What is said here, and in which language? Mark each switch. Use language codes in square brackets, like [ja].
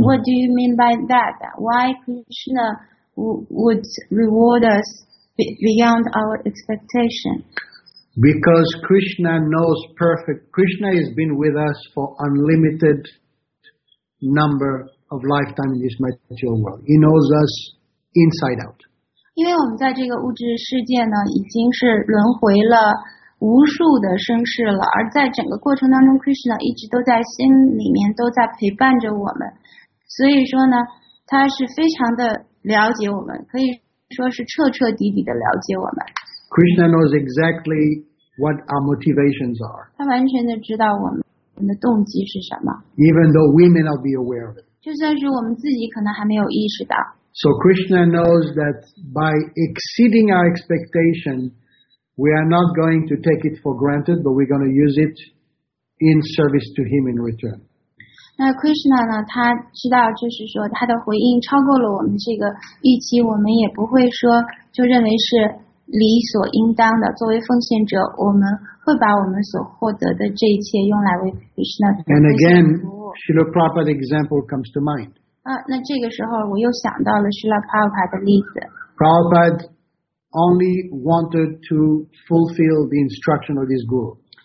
[en] What do you mean by that? Why Krishna would reward us beyond our expectation? Because Krishna knows perfect. Krishna has been with us for unlimited number of lifetime in this material world. He knows us inside out. [zh] 因为我们在这个物质世界呢，已经是轮回了无数的生世了，而在整个过程当中 ，Krishna 一直都在心里面都在陪伴着我们，所以说呢，他是非常的了解我们，可以说是彻彻底底的了解我们。 [en] Krishna knows exactly what our motivations are. [zh] 他完全的知道我们的动机是什么。 [en] Even though we may not be aware of it. [zh] 就算是我们自己可能还没有意识到。 [en] So Krishna knows that by exceeding our expectation, we are not going to take it for granted, but we're going to use it in service to Him in return. [zh] 那 Krishna 呢？他知道，就是说他的回应超过了我们这个预期，我们也不会说就认为是理所应当的。作为奉献者，我们会把我们所获得的这一切用来为 Krishna 服务。 [en] And again, Srila Prabhupada's example comes to mind. [zh] 那这个时候我又想到了 Srila Prabhupada 的例子。 [en] Prabhupada only wanted to fulfill the instruction of his guru.